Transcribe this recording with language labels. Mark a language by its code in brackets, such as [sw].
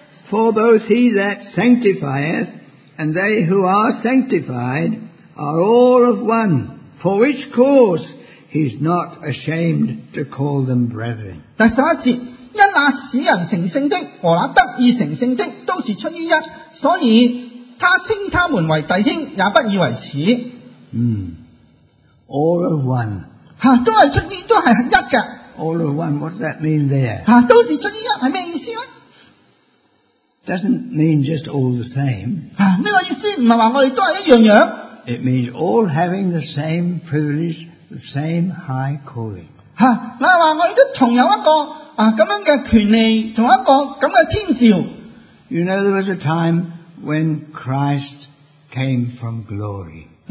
[en] For both he that sanctifieth and they who are sanctified are all of one, for which cause he's not ashamed to call them brethren. [zh] 第十一节，因那使人成圣的和那得以成圣的都是出于一，所以他称他们为弟兄，也不以为耻。 [en] All of one. [zh] 啊, 都是出于一的。 [en] All of one, what does that mean there? [zh] 啊, 都是出于一，是什么意思呢? [en] Doesn't mean just all the same. [zh] 啊, 这个意思不是说我们都是一样样。 [en] It means all having the same privilege, the same high calling. [zh] 啊, 那说我们都同有一个, 啊, 这样的权利, 同一个, 这样的天召。 [en] You know, there was a time when Christ came from glory.